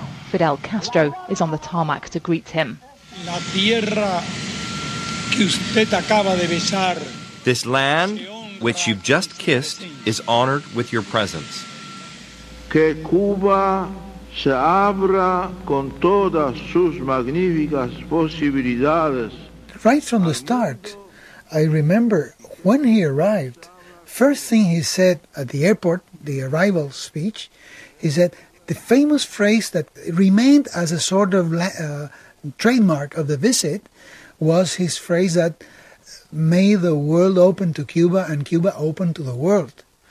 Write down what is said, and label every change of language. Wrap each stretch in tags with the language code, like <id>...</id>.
<en>Fidel Castro is on the tarmac to greet him.</en> <es>La tierra que usted acaba de besar.</es> <en>This land, which you've just kissed, is honored with your presence.</en> <es>Que Cuba se abra con todas sus magníficas posibilidades.</es> <en>Right from the start, I remember when he arrived, first thing he said at the airport, the arrival speech, he said the famous phrase that remained as a sort of trademark of the visit was his phrase that may the world open to Cuba and Cuba open to the world.</en>